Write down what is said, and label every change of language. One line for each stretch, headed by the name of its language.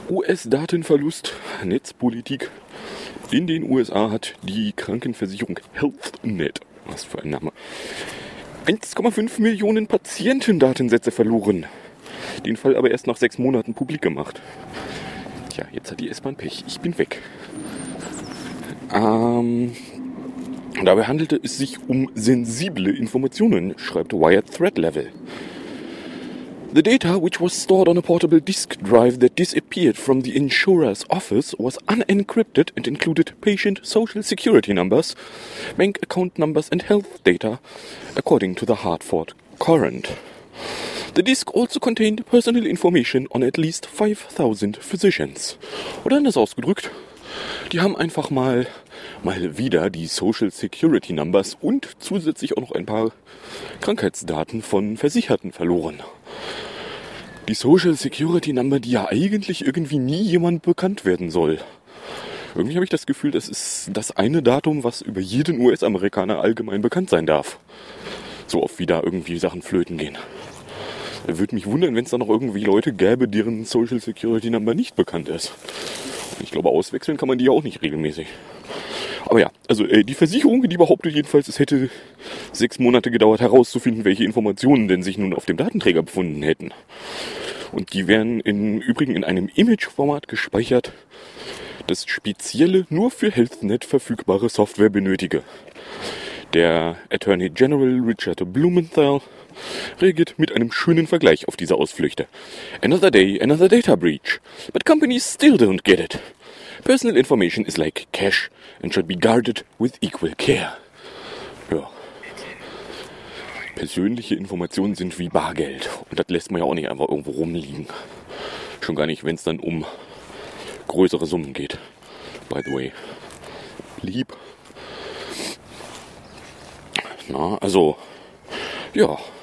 German: US-Datenverlust, Netzpolitik. In den USA hat die Krankenversicherung HealthNet, was für ein Name, 1,5 Millionen Patientendatensätze verloren. Den Fall aber erst nach 6 Monaten publik gemacht. Tja, jetzt hat die S-Bahn Pech. Ich bin weg. Dabei handelte es sich um sensible Informationen, schreibt Wired Threat Level.
English: The data, which was stored on a portable disk drive that disappeared from the insurer's office, was unencrypted and included patient social security numbers, bank account numbers and health data, according to the Hartford Courant. The disk also contained personal information on at least 5,000 physicians.
German: Oder anders ausgedrückt, die haben einfach mal wieder die Social Security Numbers und zusätzlich auch noch ein paar Krankheitsdaten von Versicherten verloren. Die Social Security Number, die ja eigentlich irgendwie nie jemand bekannt werden soll. Irgendwie habe ich das Gefühl, das ist das eine Datum, was über jeden US-Amerikaner allgemein bekannt sein darf. So oft wie da irgendwie Sachen flöten gehen. Würde mich wundern, wenn es da noch irgendwie Leute gäbe, deren Social Security Number nicht bekannt ist. Ich glaube, auswechseln kann man die ja auch nicht regelmäßig. Aber ja, also die Versicherung, die behauptet jedenfalls, es hätte 6 Monate gedauert, herauszufinden, welche Informationen denn sich nun auf dem Datenträger befunden hätten. Und die wären im Übrigen in einem Image-Format gespeichert, das spezielle, nur für HealthNet verfügbare Software benötige. Der Attorney General Richard Blumenthal reagiert mit einem schönen Vergleich auf diese Ausflüchte.
English: Another day, another data breach. But companies still don't get it. Personal information is like cash and should be guarded with equal care.
German: Ja. Persönliche Informationen sind wie Bargeld. Und das lässt man ja auch nicht einfach irgendwo rumliegen. Schon gar nicht, wenn es dann um größere Summen geht.
English: By the way.
German: Lieb. Na, also. Ja.